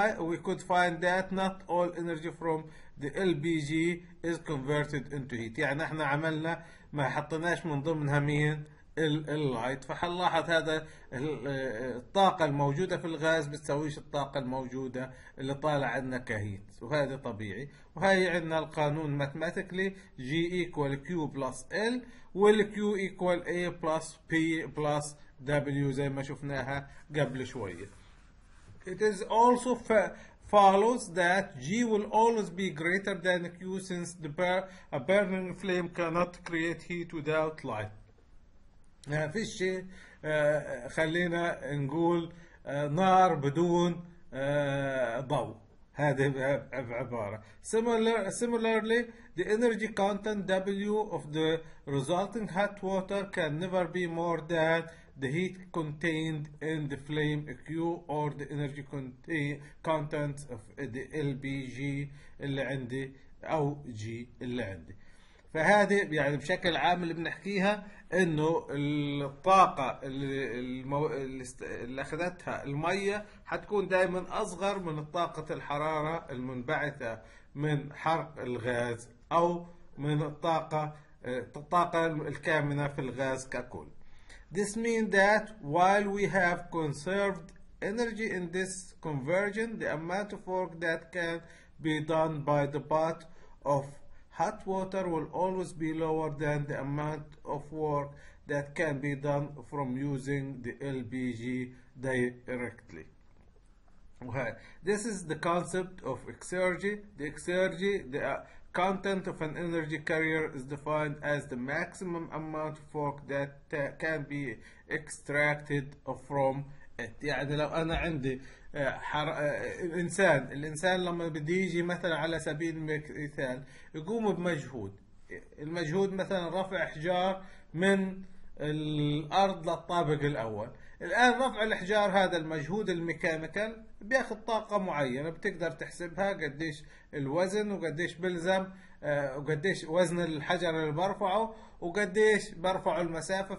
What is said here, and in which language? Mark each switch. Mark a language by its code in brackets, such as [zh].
[en] We could find that not all energy from the LPG is converted into heat. [ar] يعني احنا عملنا ما حطناش من ضمنها مين؟ اللايت. فحنلاحظ هذا الطاقة الموجودة في الغاز بتسويش الطاقة الموجودة اللي طالع عندنا كهيت، وهذا طبيعي. وهي عندنا القانون [en] mathematically G equal Q plus L, والكيو equal E plus B plus W [ar] زي ما شفناها قبل شوية. [en] It is also follows that G will always be greater than Q since the a burning flame cannot create heat without light. [ar] فيش شيء خلينا نقول نار بدون ضوء. هذه عبارة. [en] Similarly, the energy content W of the resulting hot water can never be more than the heat contained in the flame Q or the energy content of the LPG [ar] اللي عندي أو G اللي عندي. فهذه يعني بشكل عام اللي بنحكيها إنه الطاقة اللي أخذتها المية حتكون دائما أصغر من طاقة الحرارة المنبعثة من حرق الغاز أو من الطاقة الكامنة في الغاز ككل. [en] This means that while we have conserved energy in this conversion, the amount of work that can be done by the pot of hot water will always be lower than the amount of work that can be done from using the LPG directly. This is the concept of exergy. The exergy, the content of an energy carrier, is defined as the maximum amount of work that can be extracted from it. [ar] يعني لو أنا عندي الإنسان لما بدي يجي مثلا على سبيل المثال يقوم بمجهود, المجهود مثلا رفع حجار من الأرض للطابق الأول. الآن رفع الحجار هذا المجهود الميكانيكال بياخذ طاقة معينة, بتقدر تحسبها قديش الوزن وقديش بلزم وقديش وزن الحجر اللي برفعه وقديش برفعه المسافة.